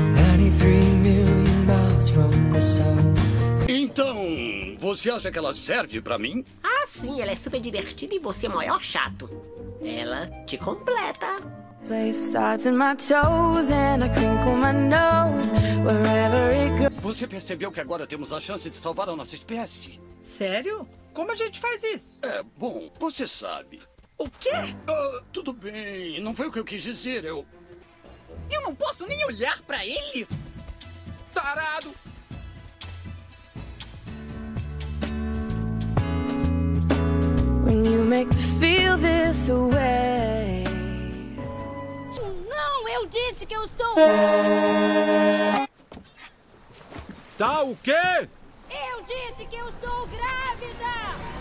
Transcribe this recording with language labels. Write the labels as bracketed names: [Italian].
[English] 93 million miles from the sun. [Portuguese] Então, você acha que ela serve pra mim? Ah, sim, ela é super divertida e você é o maior chato. Ela te completa. Você percebeu que agora temos a chance de salvar a nossa espécie? Sério? Como a gente faz isso? É, bom, você sabe. O quê? Tudo bem, não foi o que eu quis dizer, eu... Eu não posso nem olhar pra ele? Tarado! [English] When you make me feel this way. [Portuguese] Não, eu disse que eu estou... Tá o quê? Eu disse que eu estou grávida!